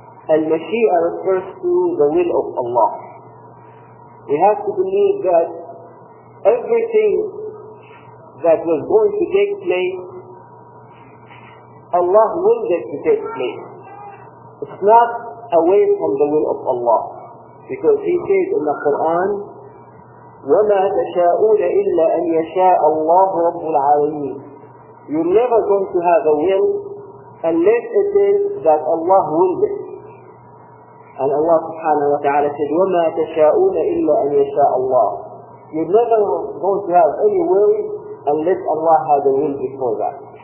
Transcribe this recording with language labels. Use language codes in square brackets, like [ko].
[en] Al-Mashi'ah refers to the will of Allah. We have to believe that everything that was going to take place, Allah willed it to take place. It's not away from the will of Allah. Because he says in the Quran, [ar] وَمَا تَشَاءُونَ إِلَّا أَنْ يَشَاءَ اللَّهُ رَبُّ الْعَالَمِينَ. [en] You're never going to have a will unless it is that Allah willed it. And Allah subhanahu wa ta'ala said, [ar] وَمَا تَشَاءُونَ إِلَّا أَنْ يَشَاءَ اللَّهُ. [en] You're never going to have any will unless Allah had a will before that.